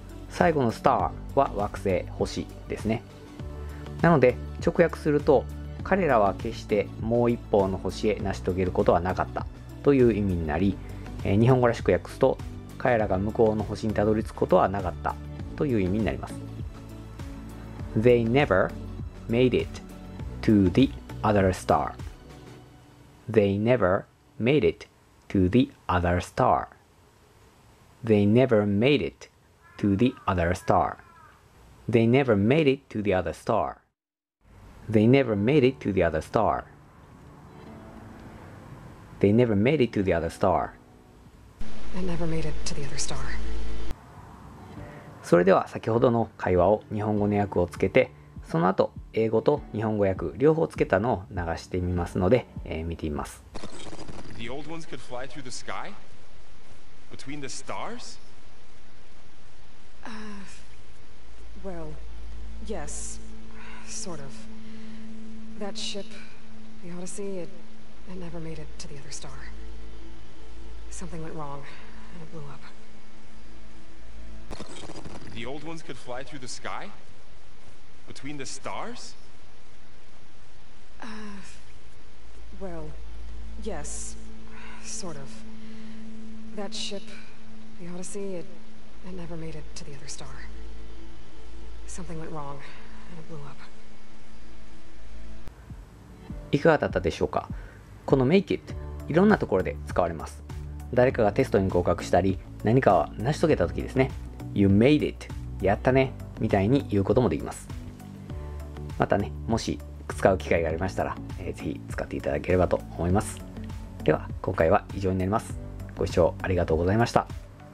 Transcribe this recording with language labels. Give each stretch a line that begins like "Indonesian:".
Japanese: 最後の Star は惑星、星ですね。なので直訳すると、彼らは決してもう一方の星へ成し遂げることはなかったという意味になり、日本語らしく訳すと、彼らが向こうの星にたどり着くことはなかったという意味になります。
English: They never made it to the other starThey never made it to the other star. They never made it to the other star. They never made it to the other star. They never made it to the other star. They never made it to the other star. I never made it to the other star.
Japanese: それでは先ほどの会話を日本語の訳をつけて、その後英語と日本語訳両方つけたのを流してみますので、見てみます。
English: The old ones could fly through the sky? Between the stars? Well, yes, sort of. That ship, the Odyssey, it never made it to the other star. Something went wrong, and it blew up. The old ones could fly through the sky? Between the stars? Well, yes, sort of. That ship, the Odyssey, it never made it to the other star. Something went wrong, and it blew up.
Japanese: いかがだったでしょうか。この make it、いろんなところで使われます。誰かがテストに合格したり、何かを成し遂げた時ですね。 You made it、やったねみたいに言うこともできます。またね、もし使う機会がありましたら、ぜひ使っていただければと思います。では今回は以上になります。ご視聴ありがとうございました。